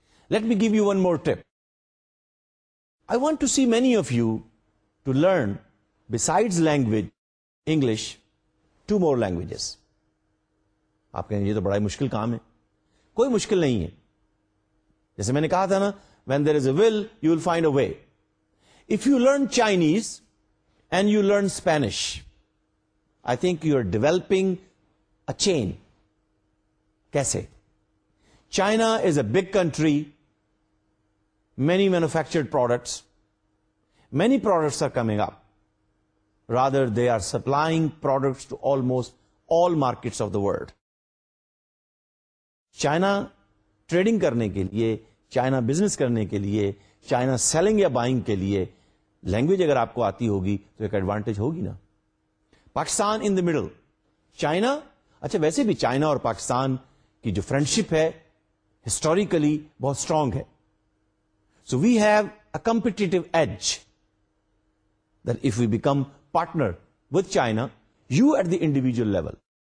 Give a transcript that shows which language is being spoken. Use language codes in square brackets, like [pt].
[en] Let me give you one more tip. I want to see many of you to learn besides language English two more languages. [ur] آپ کہیں یہ تو بڑا ہی مشکل کام ہے. کوئی مشکل نہیں ہے, جیسے میں نے کہا تھا نا, [en] when there is a will you will find a way. If you learn Chinese and you learn Spanish, I think you are developing a chain. [ur] Kaise? [en] China is a big country, many manufactured products, many products are coming up, rather they are supplying products to almost all markets of the world. [ur] China trading karne ke liye, China business کرنے کے لیے, China selling یا buying کے لیے language اگر آپ کو آتی ہوگی تو ایک ایڈوانٹیج ہوگی نا. [en] Pakistan in the middle China. [ur] اچھا ویسے بھی چائنا اور پاکستان کی جو فرینڈشپ ہے ہسٹوریکلی بہت اسٹرانگ ہے. [en] So we have a competitive edge if we become partner with China you at the individual level.